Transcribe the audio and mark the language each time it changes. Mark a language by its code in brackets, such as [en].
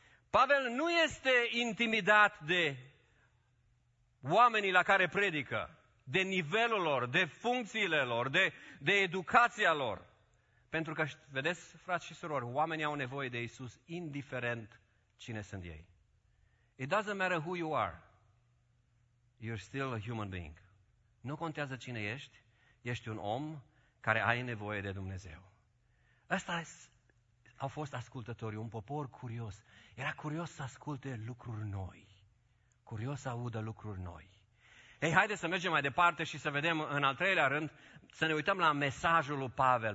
[ro] Pavel nu este intimidat de oamenii la care predică, de nivelul lor, de funcțiile lor, de educația lor. Pentru că, vedeți, frați și surori, oamenii au nevoie de Iisus, indiferent cine sunt ei. [en] It doesn't matter who you are, you're still a human being. [ro] Nu contează cine ești, ești un om care ai nevoie de Dumnezeu. Ăsta au fost ascultătorii, un popor curios. Era curios să asculte lucruri noi, curios să audă lucruri noi. Ei, haideți să mergem mai departe și să vedem în al treilea rând, să ne uităm la mesajul lui Pavel.